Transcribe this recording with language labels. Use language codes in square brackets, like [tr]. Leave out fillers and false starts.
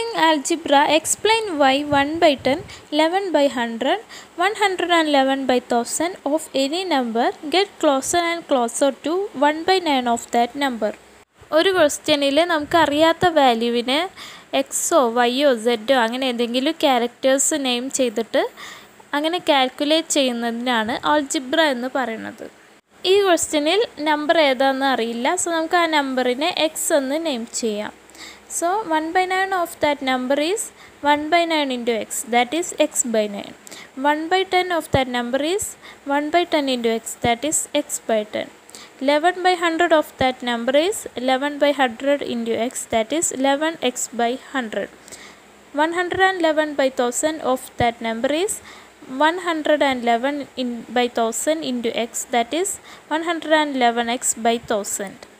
[en] algebra, explain why 1 by 10, 11 by 100, 111 by 1000 of any number get closer and closer to 1 by 9 of that number. [ml] ഒരു ക്വസ്റ്റ്യനിൽ നമുക്കറിയാത്ത വാല്യൂവിനെ എക്സോ വൈയോ സെഡോ അങ്ങനെ എന്തെങ്കിലും characters name ചെയ്തിട്ട് അങ്ങനെ കാൽക്കുലേറ്റ് ചെയ്യുന്നതിനാണ് ആൾജിബ്ര എന്ന് പറയുന്നത്. ഈ ക്വസ്റ്റ്യനിൽ നമ്പർ ഏതാണെന്ന് അറിയില്ല, സോ നമുക്ക് ആ നമ്പറിനെ എക്സ് എന്ന് നെയിം ചെയ്യാം. [en] So 1/9 of that number is 1/9 into x, that is x by nine. 1/10 of that number is 1/10 into x, that is x by ten. 11/100 of that number is 11/100 into x, that is 11x/100. 111/1000 of that number is 111/1000 into x, that is 111x/1000.